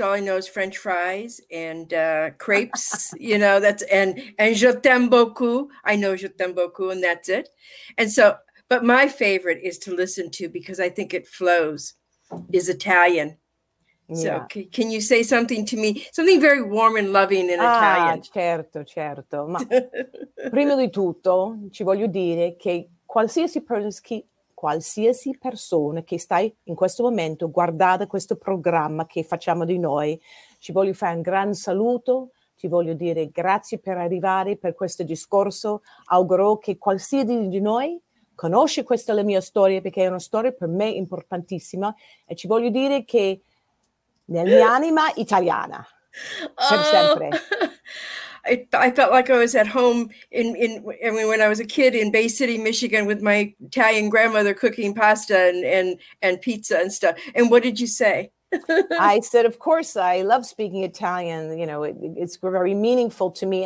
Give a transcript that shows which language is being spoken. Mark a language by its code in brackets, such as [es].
[en] All I know is French fries and crepes, you know, that's and [fr] je t'aime beaucoup. [en] I know [fr] je t'aime beaucoup [en] and that's it. And so, but my favorite is to listen to, because I think it flows, is Italian. Yeah. So can you say something to me, something very warm and loving in Italian? [it] Ah, certo, certo. Ma prima di tutto ci voglio dire che qualsiasi persona che stai in questo momento guardando questo programma che facciamo di noi, ci voglio fare un gran saluto, ci voglio dire grazie per arrivare per questo discorso. Auguro che qualsiasi di noi conosce questa la mia storia, perché è una storia per me importantissima, e ci voglio dire che nella mia anima italiana, per sempre. [en] I felt like I was at home when I was a kid in Bay City, Michigan, with my Italian grandmother cooking pasta and pizza and stuff. And what did you say? I said, of course, I love speaking Italian. You know, it's very meaningful to me.